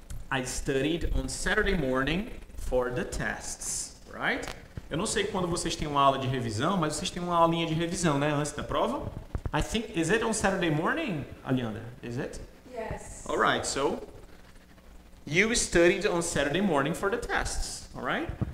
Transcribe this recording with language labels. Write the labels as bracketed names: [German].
[English] I studied on Saturday morning for the tests, right? [Portuguese] Eu não sei quando vocês têm uma aula de revisão, mas vocês têm uma aulinha de revisão, né? Antes da prova? [English] I think, is it on Saturday morning, Alianda? Is it? Yes. All right, so you studied on Saturday morning for the tests, all right?